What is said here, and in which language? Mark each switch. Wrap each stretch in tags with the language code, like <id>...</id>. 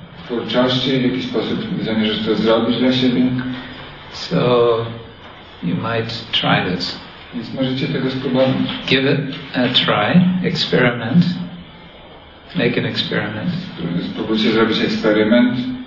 <pl>W twórczości, w jaki sposób zamierzasz to zrobić dla siebie.</pl> <en>So, you might try this.</en> <pl>Więc możecie tego spróbować.</pl> <en>Give it a try, experiment. Make an experiment.</en> <pl>Spróbujcie zrobić eksperyment.</pl>